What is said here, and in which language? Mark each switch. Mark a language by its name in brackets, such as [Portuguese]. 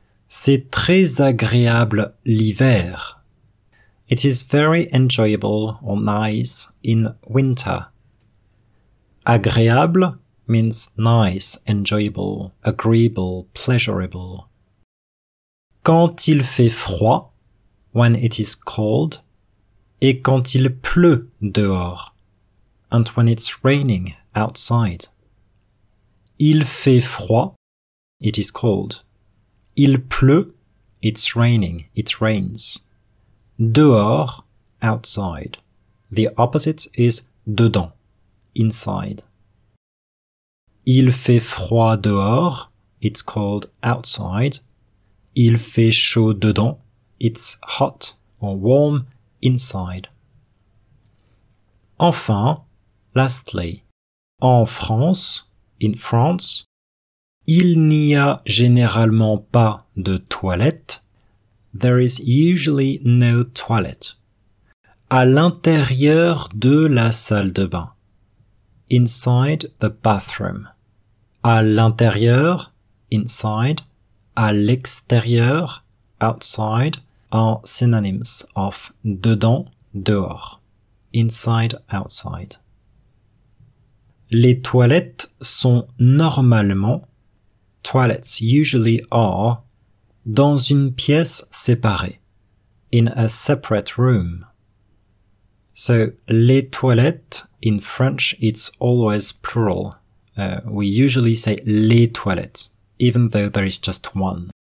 [French] C'est très agréable l'hiver. [English] It is very enjoyable or nice in winter. Agréable means nice, enjoyable, agreeable, pleasurable. [French] Quand il fait froid, [English] when it is cold, [French] et quand il pleut dehors, [English] and when it's raining outside. [French] Il fait froid, [English] it is cold. [French] Il pleut, [English] it's raining, it rains. Dehors, outside. The opposite is dedans, inside. [French] Il fait froid dehors, [English] it's cold outside. [French] Il fait chaud dedans, [English] it's hot or warm inside. [French] Enfin, [English] lastly, [French] en France, [English] in France, [French] il n'y a généralement pas de toilette. [English] There is usually no toilet. [French] À l'intérieur de la salle de bain. [English] Inside the bathroom. [French] À l'intérieur, [English] inside. [French] À l'extérieur, [English] outside, are synonyms of dedans, dehors. Inside, outside. [French] Les toilettes sont normalement, [English] toilets usually are, [French] dans une pièce séparée, [English] in a separate room. So, les toilettes, in French, it's always plural. We usually say les toilettes, even though there is just one.